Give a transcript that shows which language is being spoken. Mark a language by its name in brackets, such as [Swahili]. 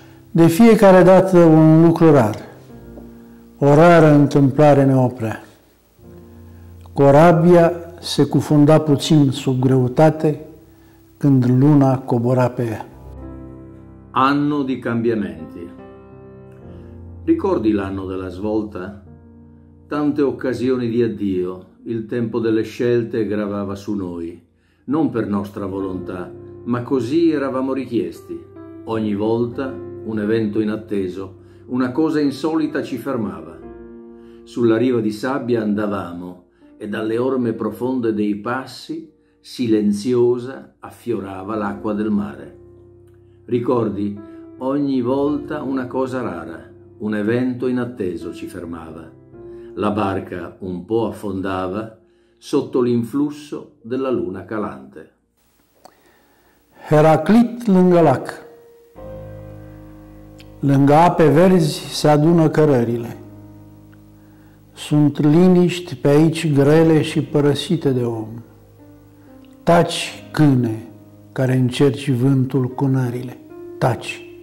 [Romanian] De fiecare dată un lucru rar, o rară întâmplare ne oprea. Corabia se cufunda puțin sub greutate când luna cobora pe ea. [Italian] Anno di cambiamenti. Ricordi l'anno della svolta? Tante occasioni di addio, il tempo delle scelte gravava su noi, non per nostra volontà, ma così eravamo richiesti. Ogni volta un evento inatteso, una cosa insolita ci fermava. Sulla riva di sabbia andavamo e dalle orme profonde dei passi, silenziosa, affiorava l'acqua del mare. Ricordi, ogni volta una cosa rara, un evento inatteso ci fermava. La barca un po' affondava sotto l'influsso della luna calante. [Romanian] Heraclit lângă lac. Lângă ape verzi se adună cărările. Sunt liniști pe aici grele și părăsite de om. Taci, câine, care încerci vântul cu nările. Taci.